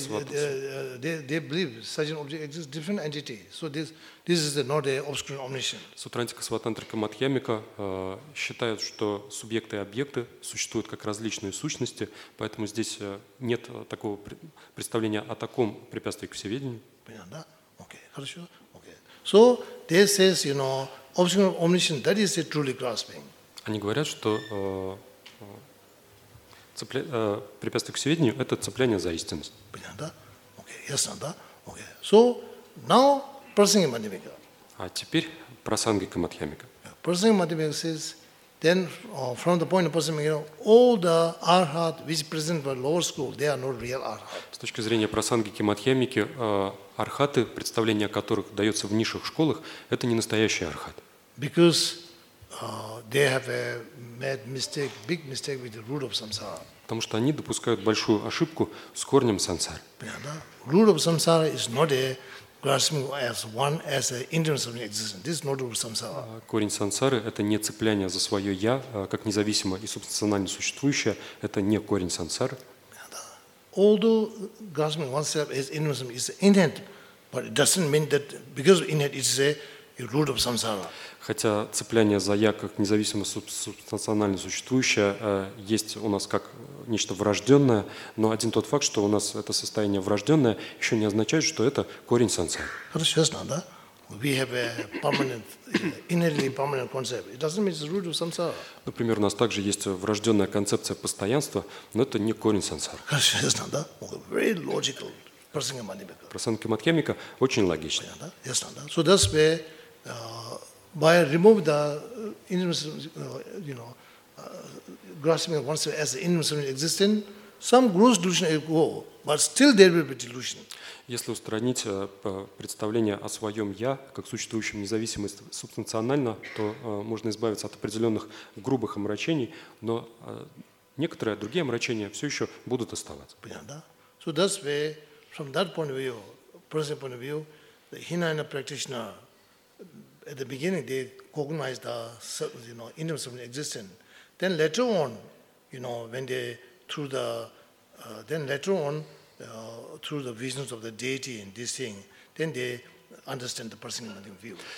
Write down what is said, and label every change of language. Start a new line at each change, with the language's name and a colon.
English: свадьба. They believe subject object exists different entity. So this is not a obscure omniscience.
Russian: Сутрантика Сватантрика Мадхьямика считают, что субъекты и объекты существуют как различные сущности, поэтому здесь нет такого представления о таком препятствии к всеведению. Понятно? Окей, хорошо. Окей.
English: So they says, you know, obscure omniscience, that is a truly grasping.
Russian: Они говорят, что препятствие к всеведению – это цепляние за истинность. Понятно, да? Окей, ясно, да? Окей.
English: So, now,
Russian: Prasangika Madhyamika. А теперь Prasangika Madhyamika.
English: Prasangika Madhyamika says, then, from the point of Prasangika, all the arhat which is present by lower school, they are not real arhat.
Russian: С точки зрения Prasangika Madhyamika, архаты, представление о которых дается в низших школах, это не настоящий архат.
English: Because they have a mad mistake, big mistake with the root of samsara.
Russian: Потому что они допускают большую ошибку с корнем сансары.
English: Понятно? Root of samsara is not a grasping as one as an independent existence. This is not root of samsara.
Russian: Корень сансары – это не цепляние за свое я как независимое и субстанционально существующее. Это не корень сансары.
English: Although grasping oneself as independent is inherent, but it doesn't mean that because inherent it is a root of samsara.
Russian: Хотя цепляние за я как независимо субстанционально существующее есть у нас как нечто врожденное, но один тот факт, что у нас это состояние врожденное, еще не означает, что это корень сансары. Хорошо, ясно, да?
English: We have a permanent, innately permanent concept. It doesn't mean it's the root of samsara.
Russian: Например, у нас также есть врожденная концепция постоянства, но это не корень сансары. Хорошо, ясно, да?
English: Very logical. Prasangika Madhyamika.
Russian: Prasangika Madhyamika очень логично. Понятно, да? Ясно, да?
English: So that's where by removing the grasping oneself as an independent existence, some gross delusion will go, but still there will be delusion.
Russian: Если устранить представление о своем «я» как существующем независимо субстанционально, то можно избавиться от определенных грубых омрачений, но некоторые другие омрачения все еще будут оставаться. Понятно, да?
English: So that's where, from that point of view, personal point of view, the Hinayana practitioner, at the beginning, they cognized the, independent existence. Then later on, through the visions of the deity and this thing, then they understand the personal view.